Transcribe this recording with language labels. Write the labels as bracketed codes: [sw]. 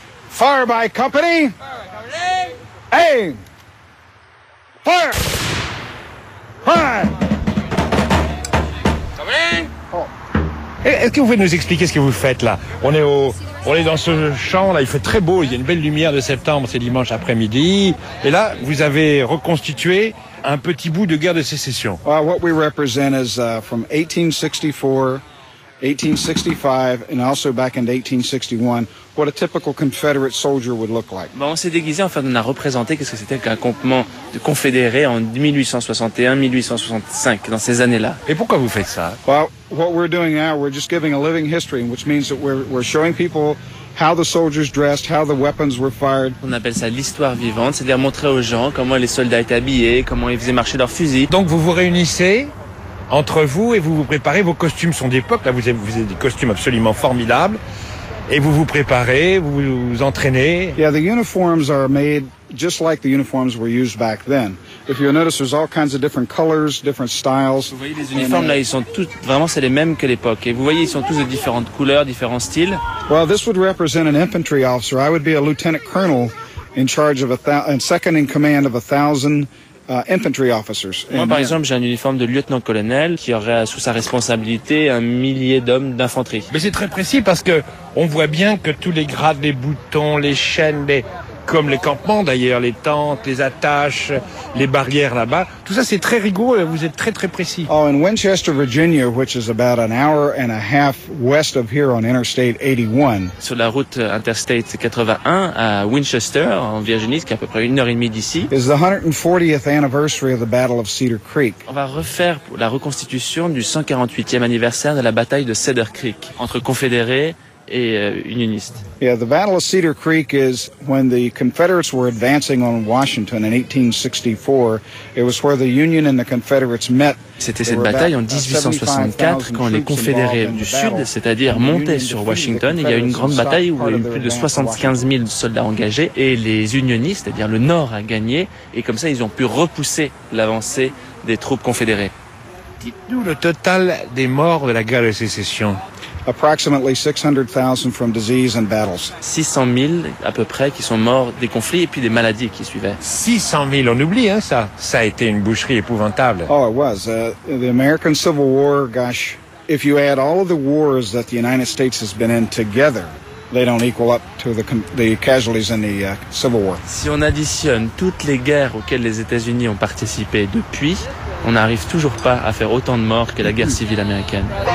[en] Fire by company! Aim! Fire! Fire! [fr] Est-ce que vous pouvez nous expliquer ce que vous faites là? On est dans ce champ là, il fait très beau, il y a une belle lumière de septembre, c'est dimanche après-midi. Et là, vous avez reconstitué un petit bout de guerre de sécession. [en] What we represent is from 1864, 1865, and also back in 1861, what a typical Confederate soldier would look like. [fr] Bon, on s'est déguisé, enfin, on a représenté qu'est-ce que c'était qu'un campement de confédérés en 1861-1865, dans ces années-là. Et pourquoi vous faites ça? [en] Well, what we're doing now, we're just giving a living history, which means that we're showing people how the soldiers dressed, how the weapons were fired. [fr] On appelle ça l'histoire vivante, c'est-à-dire montrer aux gens comment les soldats étaient habillés, comment ils faisaient marcher leurs fusils. Donc vous vous réunissez entre vous et vous vous préparez, vos costumes sont d'époque, là vous avez des costumes absolument formidables, et vous vous préparez, vous entraînez. [en] Yeah, the uniforms are made just like the uniforms were used back then. If you notice, there's all kinds of different colors, different styles. [fr] Vous voyez, les uniformes là, ils sont tous vraiment, c'est les mêmes que l'époque. Et vous voyez, ils sont tous de différentes couleurs, différents styles. [en] Well, this would represent an infantry officer. I would be a lieutenant colonel in charge of and second in command of 1,000 infantry officers. [fr] Moi, par exemple, j'ai un uniforme de lieutenant-colonel qui aurait sous sa responsabilité un millier d'hommes d'infanterie. Mais c'est très précis parce que on voit bien que tous les grades, les boutons, les chaînes, comme les campements d'ailleurs, les tentes, les attaches, les barrières là-bas, tout ça c'est très rigoureux, vous êtes très très précis. [en] Oh, in Winchester, Virginia, which is about an hour and a half west of here on Interstate 81. [fr] Sur la route Interstate 81 à Winchester, en Virginie, ce qui est à peu près une heure et demie d'ici, [en] is the 140th anniversary of the Battle of Cedar Creek. [fr] On va refaire la reconstitution du 148e anniversaire de la bataille de Cedar Creek, entre confédérés et unioniste. [en] Yeah, the Battle of Cedar Creek is when the Confederates were advancing on Washington in 1864. It was where the Union and the Confederates met. [fr] C'était cette bataille en 1864 quand les confédérés du Sud, c'est-à-dire montaient sur Washington. Il y a une grande bataille où il y a eu plus de 75 000 soldats engagés et les unionistes, c'est-à-dire le Nord, a gagné. Et comme ça, ils ont pu repousser l'avancée des troupes confédérées. Dites-nous le total des morts de la guerre de sécession. [en] Approximately 600,000 from disease and battles. [fr] 600 000 à peu près qui sont morts des conflits et puis des maladies qui suivaient. 600 000, on oublie hein, ça. Ça a été une boucherie épouvantable. [en] Oh, it was. The American Civil War, gosh, if you add all of the wars that the United States has been in together, they don't equal up to the casualties in the Civil War. [fr] Si on additionne toutes les guerres auxquelles les États-Unis ont participé depuis, on n'arrive toujours pas à faire autant de morts que la guerre civile américaine.